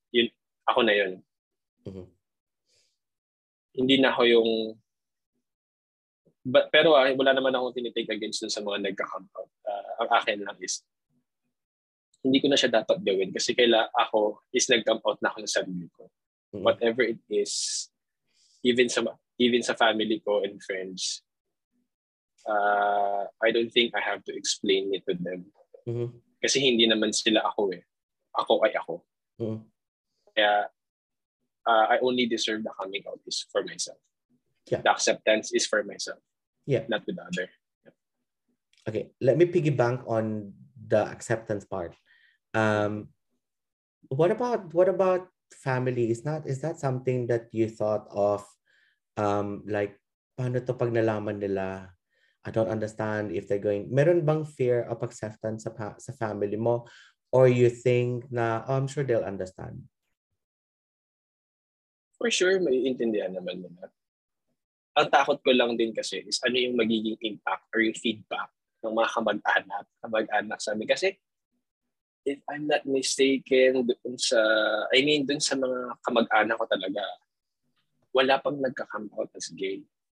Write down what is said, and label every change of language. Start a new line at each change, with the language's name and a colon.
Filipino: Yun, ako na yun. Mm-hmm. Hindi na ako yung, Pero wala naman akong tinitake against dun sa mga nagka-come out. Ang akin lang is, hindi ko na siya dapat gawin kasi kailangan ako is nag-come out na ako sa sarili ko. Mm-hmm.
English: Whatever it is, even
Filipino: sa family ko
English: and friends, I don't think I have to explain it to them.
Filipino: Mm-hmm. Kasi hindi naman sila ako eh. Ako ay ako. Mm-hmm.
English: Kaya, I only deserve the coming out is for myself. Yeah. The acceptance is for myself. Yeah. Not with other. Okay. Let me piggyback on the acceptance part. What about family? Is that something that you thought of? Like,
Filipino: paano to pag nalaman nila?
English: I don't understand if they're going...
Filipino: Meron bang
English: fear of acceptance sa family mo? Or you think na, I'm sure they'll understand?
Filipino: For sure, may intindihan naman nila. Ang takot ko lang din kasi is ano yung magiging impact or yung feedback ng mga kamag-anak sa amin. Kasi,
English: if I'm not mistaken,
Filipino: dun sa mga kamag-anak ko talaga, wala pang nagka-come out as gay.